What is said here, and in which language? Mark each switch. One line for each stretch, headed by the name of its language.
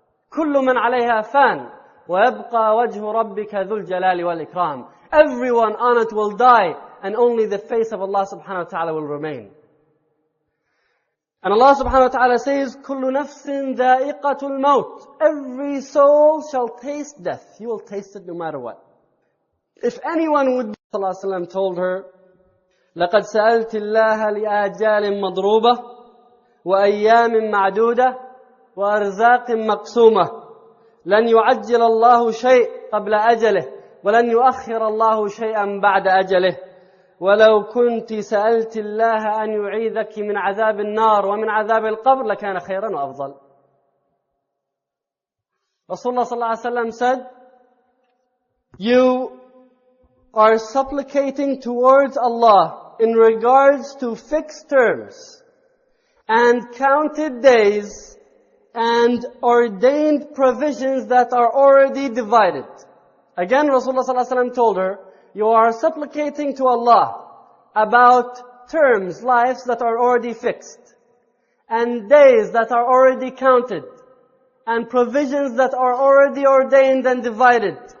Arabic: كُلُّ مَنْ عَلَيْهَا فَانْ وَيَبْقَى وَجْهُ رَبِّكَ ذُو الْجَلَالِ وَالْإِكْرَامِ
English: Everyone on it will die, and only the face of Allah subhanahu wa ta'ala will remain. And Allah subhanahu wa ta'ala says,
Arabic: كُلُّ نَفْسٍ ذَائِقَةُ الْمَوْتِ
English: Every soul shall taste death. You will taste it no matter what.
Arabic: If anyone would, Sallallahu Alaihi Wasallam told her, لَقَدْ سَأَلْتِ اللَّهَ لِآجَالٍ مَضْرُوبَةٍ وَأَيَّامٍ مَعْدُودَةٍ وَأَرْزَاقٍ مَقْسُومَةٍ لَنْ يُعَجِّلَ اللَّهُ شَيْءٍ قَبْلَ أَجَلِهِ وَلَنْ يُؤَخِّرَ اللَّهُ شَيْئًا بَعْدَ أَجَلِهِ وَلَوْ كُنْتِ سَأَلْتِ اللَّهَ أَنْ يُعِيذَكِ مِنْ عَذَابِ النَّارِ وَمِنْ عَذَابِ الْقَبْرِ لَكَانَ خَيْرًا وَأَفْضَلَ
English: Rasulullah صلى الله عليه وسلم said, you are supplicating towards Allah in regards to fixed terms and counted days and ordained provisions that are already divided. Again, Rasulullah صلى الله عليه وسلم told her, you are supplicating to Allah about terms, lives that are already fixed, and days that are already counted, and provisions that are already ordained and divided.